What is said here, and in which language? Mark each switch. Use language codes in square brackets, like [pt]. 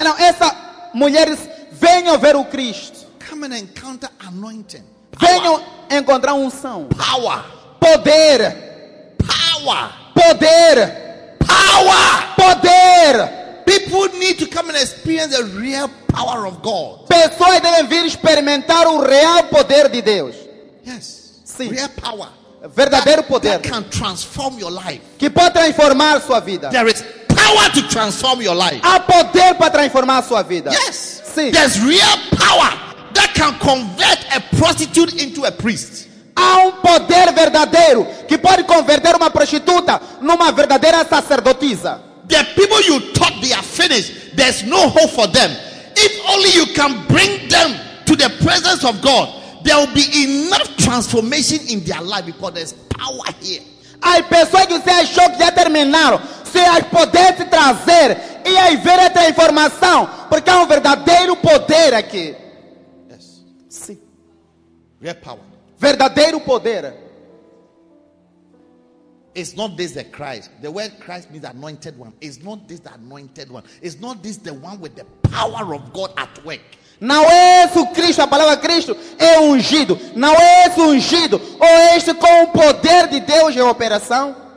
[en] And now [pt] essa mulher diz, "Venha ver o Cristo." [en] Come and encounter anointing. [pt] Venha encontrar unção. [en] Power. [pt] Poder. [en] Power. [pt] Poder. [en] Power. [pt] Poder. [en] People need to come and experience the real power of God. [pt] Pessoas devem vir experimentar o real poder de Deus. [en] Yes. [pt] Sim. [en] Real power. [pt] Verdadeiro [en] that, [pt] poder. [en] That can transform your life. [pt] Que pode transformar sua vida. [en] There is power to transform your life. [pt] Há poder para transformar sua vida. [en] Yes. [pt] Sim. [en] There's real power that can convert a prostitute into a priest. [pt] Há poder verdadeiro que pode converter uma prostituta numa verdadeira sacerdotisa. [en] The people you thought they are finished, there's no hope for them. If only you can bring them to the presence of God, there will be enough transformation in their life because there's power here. [pt] Aí pessoas que você achou que já terminaram, se as poder te trazer e aí ver a transformação, porque há verdadeiro poder aqui. [en] Yes. [pt] Sim. [en] Real power. [pt] Verdadeiro poder. [en] It's not this the Christ. The word Christ means anointed one. It's not this the anointed one. It's not this the one with the power of God at work. [pt] Não é esse o Cristo, a palavra Cristo é ungido. Não é esse ungido ou este com o poder de Deus em operação?